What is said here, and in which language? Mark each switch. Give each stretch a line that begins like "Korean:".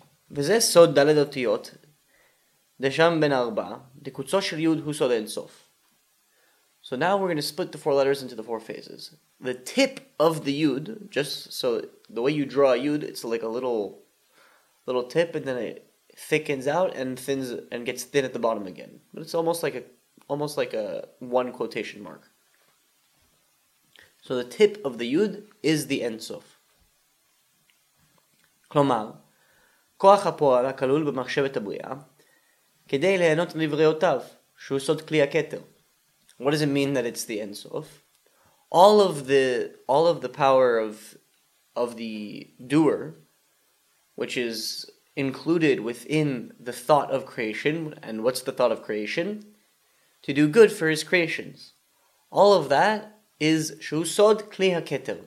Hebrew: וזה סוד דלת אותיות, דשם בן ארבע, דקוצו של יוד הוא סוד אינסוף.
English: So now we're going to split the four letters into the four phases. The tip of the yud, just so the way you draw a yud, it's like a little tip, and then it thickens out and thins and gets thin at the bottom again. But it's almost like a one quotation mark. So the tip of the yud is the ensof.
Hebrew: כלומר, כוח הפועל הכלול במחשבת הבריאה, כדי ליהנות מבריאותיו, שהוא סוד כלי הכתר.
English: What does it mean that it's the ensof? All of the power of the doer, which is included within the thought of creation, and what's the thought of creation? To do good for his creations. All of that is
Hebrew: Shu Sod Kli HaKetel.